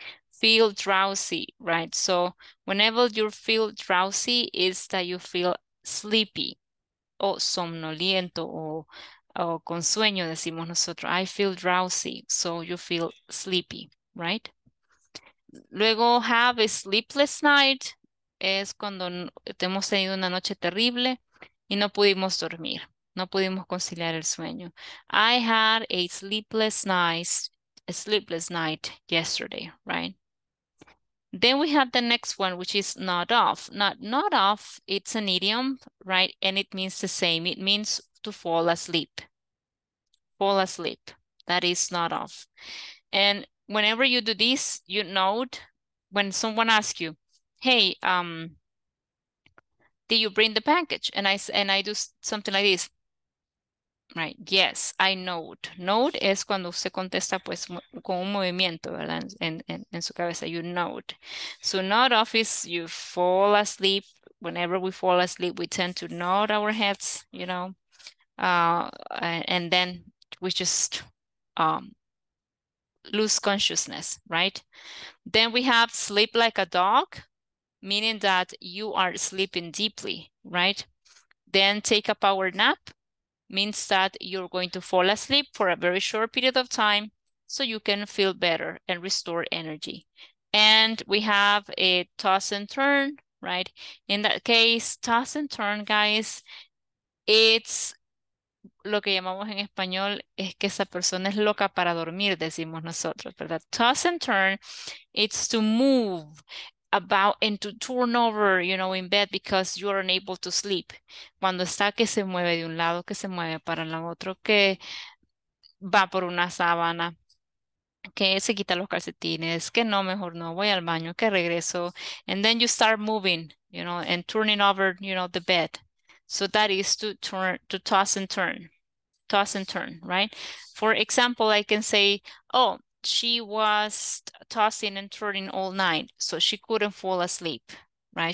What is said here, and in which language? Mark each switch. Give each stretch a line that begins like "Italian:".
English: Feel drowsy, right? So whenever you feel drowsy is that you feel sleepy
Spanish: o somnoliento o con sueño, decimos nosotros.
English: I feel drowsy, so you feel sleepy, right?
Spanish: Luego
English: have a sleepless night
Spanish: es cuando hemos tenido una noche terrible y no pudimos dormir, no pudimos conciliar el sueño. I had a sleepless night yesterday, right?
English: Then we have the next one, which is nod off. Nod off, it's an idiom, right? And it means the same. It means to fall asleep. Fall asleep. That is nod off. And whenever you do this, you nod. When someone asks you, hey, did you bring the package? And I do something like this. Right, yes, I nod.
Spanish: Nod es cuando usted contesta pues con un movimiento, ¿verdad? En su cabeza,
English: you nod. So nod off is you fall asleep. Whenever we fall asleep, we tend to nod our heads, you know, and then we just lose consciousness, right? Then we have sleep like a dog, meaning that you are sleeping deeply, right? Then take a power nap, means that you're going to fall asleep for a very short period of time so you can feel better and restore energy. And we have a toss and turn, right? In that case, toss and turn, guys, it's
Spanish: lo que llamamos en español es que esa persona es loca para dormir, decimos nosotros, ¿verdad?
English: Toss and turn, it's to move about and to turn over, you know, in bed because you are unable to sleep.
Spanish: Cuando está que se mueve de un lado, que se mueve para el otro, que va por una sábana, que se quita los calcetines, que no, mejor no, voy al baño, que regreso.
English: And then you start moving, you know, and turning over, you know, the bed. So that is to turn, to toss and turn. Toss and turn, right? For example, I can say, oh, she was tossing and turning all night, so she couldn't fall asleep, right?